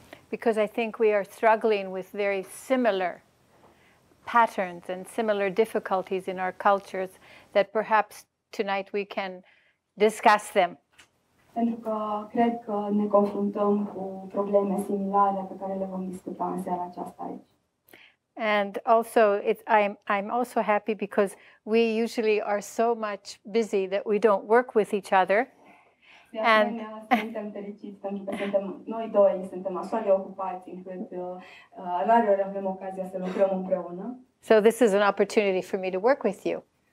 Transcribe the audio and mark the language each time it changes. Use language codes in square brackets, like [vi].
[en] Because I think we are struggling with very similar patterns and similar difficulties in our cultures that perhaps tonight we can discuss them. [ro] Pentru că cred că ne confruntăm cu probleme similare pe care le vom discuta în seara aceasta aici. [en] And also I'm also happy because we usually are so much busy that we don't work with each other. [ro] And suntem fericiți pentru că suntem noi doi suntem așa de ocupați încât rar ori avem ocazia să lucrăm împreună. [en] So this is an opportunity for me to work with you.